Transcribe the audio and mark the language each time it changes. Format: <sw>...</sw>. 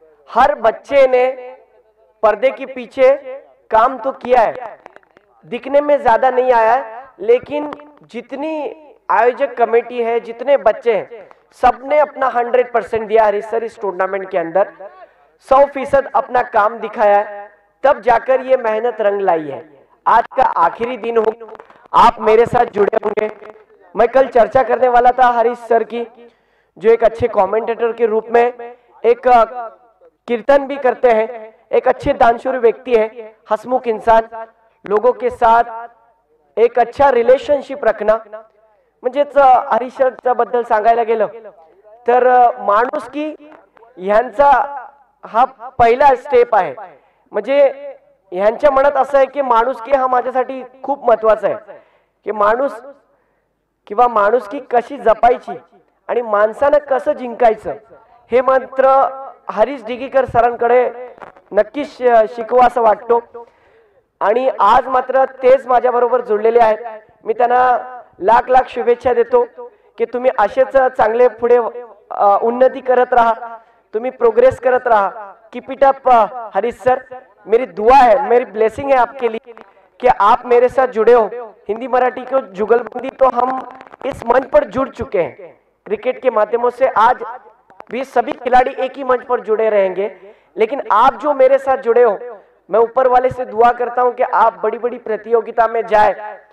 <hi>हर बच्चे ने पर्दे के पीछे काम तो किया है, दिखने में ज्यादा नहीं आया है, लेकिन जितनी आयोजक कमेटी है, जितने बच्चे हैं, सबने अपना 100% दिया हरीश सर इस टूर्नामेंट के अंदर, 100% अपना काम दिखाया है, तब जाकर ये मेहनत रंग लाई है। आज का आखिरी दिन हो, आप मेरे साथ जुड़े होंगे। मैं कल चर्चा करने वाला था हरीश सर की, जो एक अच्छे कमेंटेटर के रूप में एक कीर्तन भी करते हैं, एक अच्छे दानशूर व्यक्ति है, हसमुख इंसान, लोगों के साथ एक अच्छा रिलेशनशिप रखना,</hi> <mr>म्हणजे हरीश सरच्या बद्दल सांगायला गेलं तर माणूस की यांचा हा पहिला स्टेप आहे, म्हणजे यांच्या मनात असं आहे की माणूस की हा माझ्यासाठी खूप महत्त्वाचा आहे, की माणूस किंवा माणूस की कशी जपायची आणि माणसाने कसं जिंकायचं हे मात्र हरीश डिगीकर सरांकडे नक्कीच शिकवा असं वाटतो। आणि आज मात्र तेच माझ्या बरोबर जुळलेले आहेत, मी त्यांना लाख लाख शुभेच्छा देतो की तुम्ही असेच चांगले पुढे उन्नती करत राहा, तुम्ही प्रोग्रेस करत राहा,</mr> <en>keep it up</en> <mr>Harish sir.</mr> <hi>मेरी दुआ है, मेरी ब्लेसिंग है आपके लिए कि आप मेरे साथ जुड़े हो। हिंदी मराठी को जुगलबंदी तो हम इस मंच पर जुड़ चुके हैं क्रिकेट के माध्यमों से, आज भी सभी खिलाड़ी एक ही मंच पर जुड़े रहेंगे, लेकिन आप जो मेरे साथ जुड़े हो, मैं ऊपर वाले से दुआ करता हूं कि आप बड़ी बड़ी प्रतियोगिता में जाए।</hi>